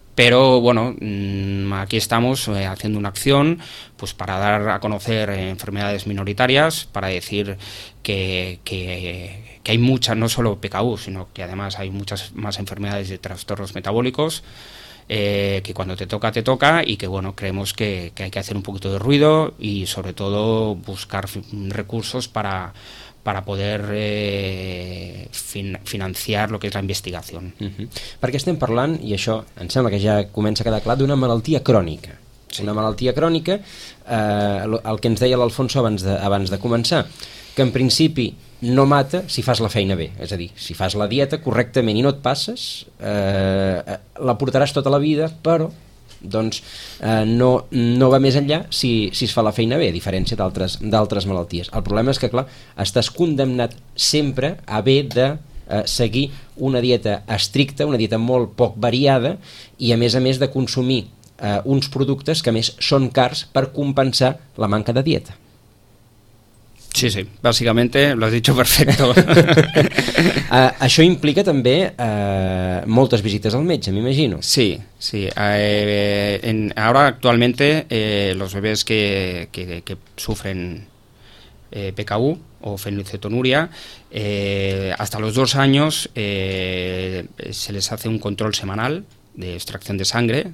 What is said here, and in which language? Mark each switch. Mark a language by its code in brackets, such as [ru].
[es] Pero bueno, aquí estamos haciendo una acción pues para dar a conocer enfermedades minoritarias, para decir que hay muchas, no solo PKU, sino que además hay muchas más enfermedades de trastornos metabólicos, que cuando te toca, y que bueno, creemos que hay que hacer un poquito de ruido y sobre todo buscar recursos para poder financiar lo que [ca] és la investigació. Perquè estem parlant, i això em sembla que ja comença a quedar clar, d'una malaltia crònica. Sí. Una malaltia crònica, el que ens deia l'Alfonso abans de començar, que en principi no mata si fas la feina bé, és a dir, si fas la dieta correctament i no et passes, la portaràs tota la vida, però doncs no va més enllà si es fa la feina bé, a diferència d'altres malalties. El problema és que, clar, estàs condemnat sempre a haver de seguir una dieta estricta, una dieta molt poc variada, i a més de consumir uns productes que a més són cars per compensar la manca de dieta. [es] Sí, sí, bàsicament lo has dicho perfecto. [ca] Això implica també moltes visites al metge, m'imagino. Sí, sí. [es] Ahora actualmente los bebés que sufren PKU o fenilcetonuria, hasta los 2 años se les hace un control semanal de extracción de sangre.